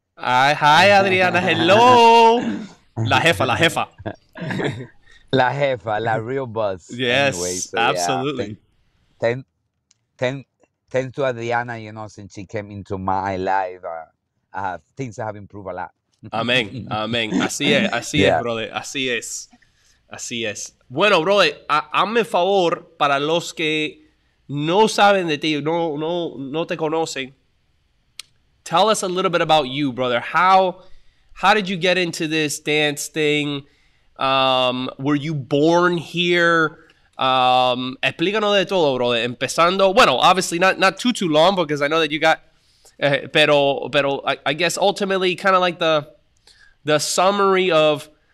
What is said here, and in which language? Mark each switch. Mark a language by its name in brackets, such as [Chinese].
[Spanish] Adriana, hello. La jefa. La jefa, la [English] real boss, anyway. Yes, So yeah, absolutely. thanks to Adriana, you know, since she came into my life, things have improved a lot. [Spanish] Amén, amén. Así es, brother. Así es. Así es. Bueno, brother, hazme favor para los que no saben de ti, no te conocen. [English] Tell us a little bit about you, brother. How did you get into this dance thing? Were you born here? [Spanish] Explícanos de todo, [English] brother. [Spanish] Empezando, bueno, [English] obviously not too long, because I know that you got, pero I guess ultimately kind of like the summary of